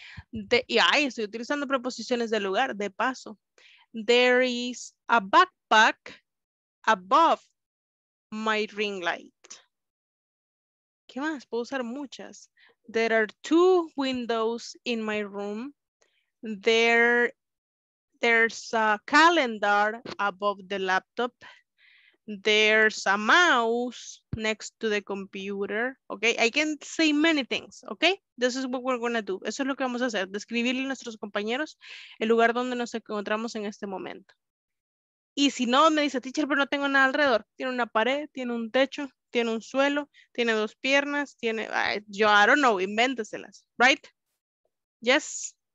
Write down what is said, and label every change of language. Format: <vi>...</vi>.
<es>Y ahí estoy utilizando preposiciones de lugar, de paso.</es> <en>There is a backpack above my ring light.</en> <es>¿Qué más? Puedo usar muchas.</es> <en>There are two windows in my room. There's a calendar above the laptop. There's a mouse next to the computer. Okay, I can say many things. Okay, this is what we're going to do.</en> <es>Eso es lo que vamos a hacer. Describirle a nuestros compañeros el lugar donde nos encontramos en este momento. Y si no, me dice, teacher, pero no tengo nada alrededor. Tiene una pared, tiene un techo, tiene un suelo, tiene dos piernas, tiene...</es> <en>yo, I don't know,</en> <es>invénteselas.</es> <en>Right? Yes.</en>